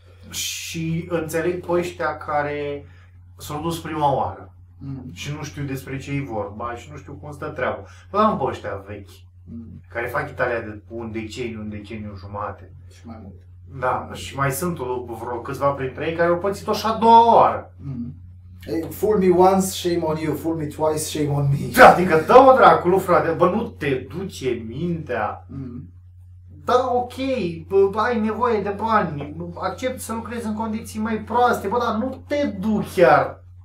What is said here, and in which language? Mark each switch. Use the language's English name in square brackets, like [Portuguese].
[Romanian] Și înțeleg pe ăștia care s-au dus prima oară. Și nu știu despre ce e vorba și nu știu cum stă treaba. Păi am pe ăștia vechi, care fac Italia de un deceniu, un deceniu jumate. Și mai mult. Da, și mai sunt vreo câțiva printre ei care au pățit-o și a doua oară. [English] Hey, fool me once, shame on you. Fool me twice, shame on me. [Romanian] Da, adică dă-o dracu, frate, bă, nu te duce mintea. Da, ok, bă, ai nevoie de bani, accept să lucrezi în condiții mai proaste, bă, dar nu te duc chiar.